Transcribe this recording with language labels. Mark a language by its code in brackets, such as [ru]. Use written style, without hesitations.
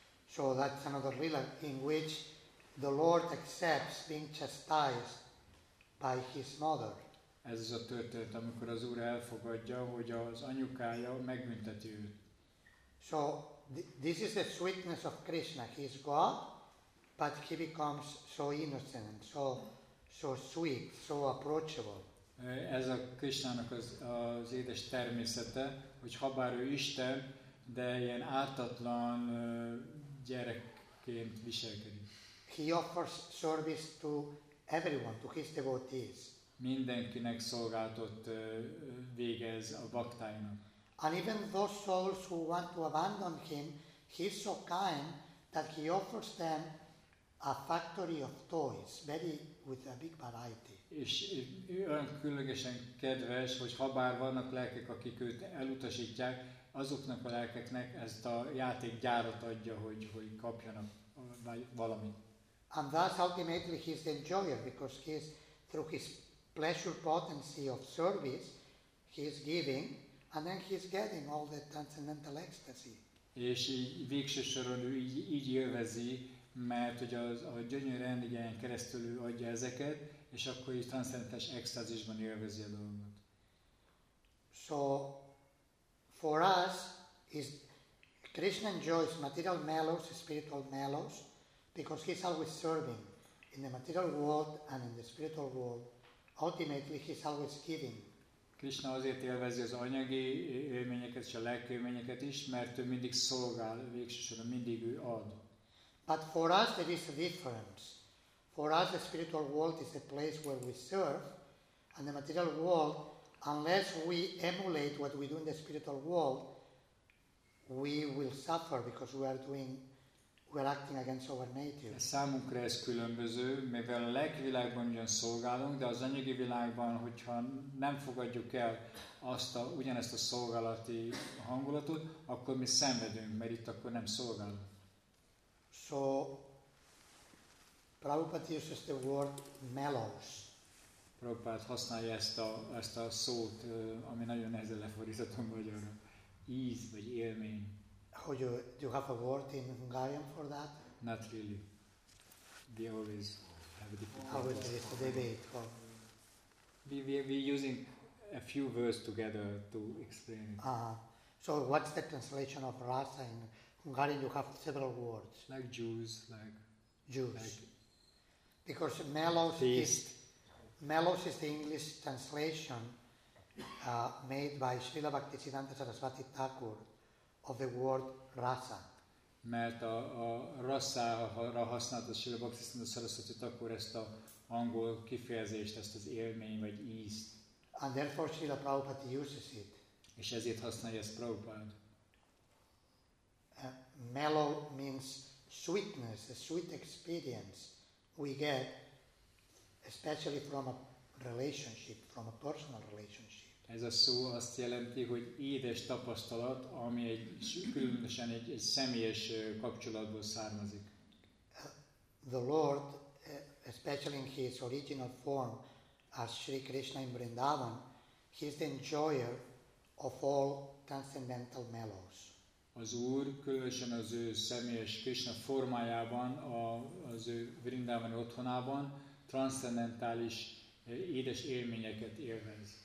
[en] So that's another lila in which the Lord accepts being chastised by his mother. [hu] Ez az a történet, amikor az Úr elfogadja, hogy az anyukája megbünteti őt. [en] So, this is the sweetness of Krishna. He is God, but he becomes so innocent, so sweet, so approachable. [hu] Ez a Krishnának az édes természete, hogy habár ő Isten, de ilyen ártatlan gyerekként viselkedik. [en] He offers service to everyone, to his devotees. [hu] Mindenkinek szolgáltott végez a baktáinak. [en] And even those souls who want to abandon him, he's so kind that he offers them a factory of toys, very with a big variety. [hu] És olyan különlegesen kedves, hogy habár vannak lelkek, akik őt elutasítják, azoknak a lelkeknek ezt a játékgyárat adja, hogy kapjanak valamit. [en] And thus ultimately he's the enjoyer, because he's through his pleasure potency of service, he's giving, and then he's getting all the transcendental ecstasy. [hu] És végső soron ő így élvezi, mert hogy a gyönyörű rendigyen keresztül adja ezeket, és akkor így transzcendentális extázisban élvezi a dolgot. [en] So, for us, is Krishna enjoys material mellows, spiritual mellows, because he's always serving in the material world and in the spiritual world. Ultimately, he's always giving. [hu] Krishna azért élvezi az anyagi élményeket és a lelki élményeket is, mert ő mindig szolgál, végsősorban mindig ő ad. [en] But for us, there is a difference. For us, the spiritual world is the place where we serve, and the material world, unless we emulate what we do in the spiritual world, we will suffer because we are acting against our nature. [hu] Számunkra ez különböző, mivel a lelki világban ugyan szolgálunk, de az anyagi világban, hogyha nem fogadjuk el ugyanezt a szolgálati hangulatot, akkor mi szenvedünk, mert itt akkor nem szolgálunk. [en] So, Prabhupada uses the word mellows. [hu] Prabhupada használja ezt a szót, ami nagyon nehezen lefordítható magyarra. Íz vagy élmény. [en] Do you have a word in Hungarian for that? Not really. We always have a different word. How is it a debate? We're using a few words together to explain it. So what's the translation of rasa in Hungarian? You have several words. Like juice, like... Juice. Like because mellows feast. Mellows is the English translation made by Srila Bhaktisiddhanta Sarasvati Thakur of the word rasa. [hu] Mert a rasa-ra használt a Srila Bhaktisiddhanta Sarasvati Thakur ezt az angol kifejezést, ezt az élmény vagy ízt. [en] And therefore Srila Prabhupada uses it. [hu] És ezért használja ezt Prabhupada. [en] Mellow means sweetness, a sweet experience we get, especially from a relationship, from a personal relationship. [hu] Ez a szó azt jelenti, hogy édes tapasztalat, ami egy különösen egy személyes kapcsolatból származik. [en] The Lord, especially in his original form as Sri Krishna in Vrindavan, he is the enjoyer of all transcendental mellows. [hu] az Úr, különösen az ő személyes Krishna formájában, az ő Vrindavani otthonában transzcendentális édes élményeket élvez.